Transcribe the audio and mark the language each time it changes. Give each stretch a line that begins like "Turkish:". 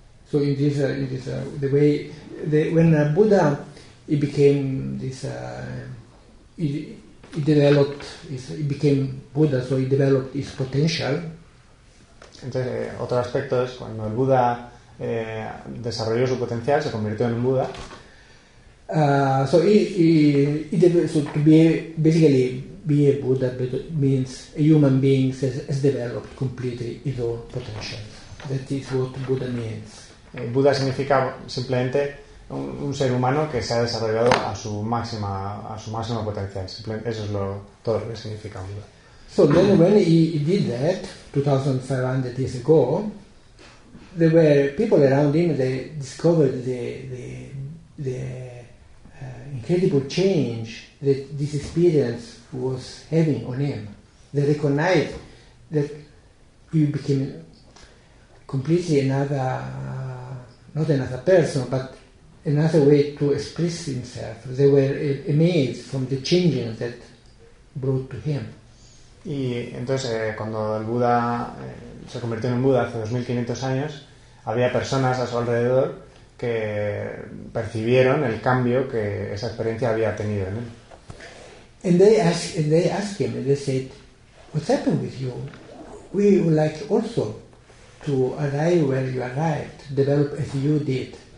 English: So in this the way the when Buddha he became this he developed his, he became Buddha, so he developed his potential.
Spanish: Entonces otro aspecto es cuando el Buda desarrolló su potencial, se convirtió en un Buda.
English: So he to be basically be a Buddha means a human being has developed completely his own potential. That is what Buddha means.
Spanish: Buddha significa simplemente un ser humano que se ha desarrollado a su máximo potencial. Simplemente eso es todo lo que significa Buddha.
English: So then when he did that 2500 years ago, there were people around him. They discovered the incredible change that this experience was having on him. They recognized that he became completely another, not another person, but another way to express himself. They were amazed from the changes that brought to him.
Spanish: Y entonces cuando el Buda se convirtió en un Buda hace 2500 años, había personas a su alrededor que percibieron el cambio que esa experiencia había tenido en él.
English: And they asked him, and they said, "What's happened with you? We would like also to arrive where you arrived, develop as you did.